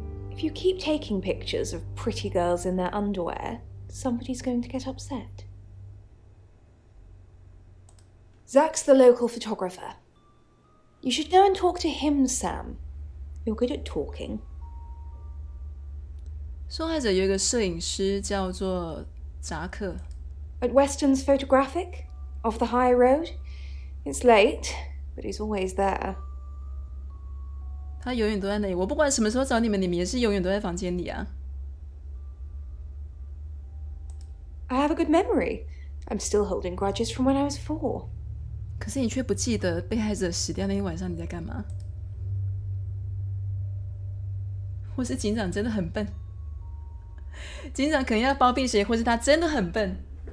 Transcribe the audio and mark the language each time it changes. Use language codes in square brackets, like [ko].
[en] If you keep taking pictures of pretty girls in their underwear, somebody's going to get upset. Zach's the local photographer. You should go and talk to him, Sam. You're good at talking. [zh] 受害者有一个摄影师叫做扎克。 At Weston's Photographic, off the high road. It's late, but he's always there. 他永远都在那里。我不管什么时候找你们，你们也是永远都在房间里啊。 [en] I have a good memory. I'm still holding grudges from when I was 4. [zh] 可是你却不记得被害者死掉那一晚上你在干嘛。或是警长真的很笨。警长可能要包庇谁，或是他真的很笨。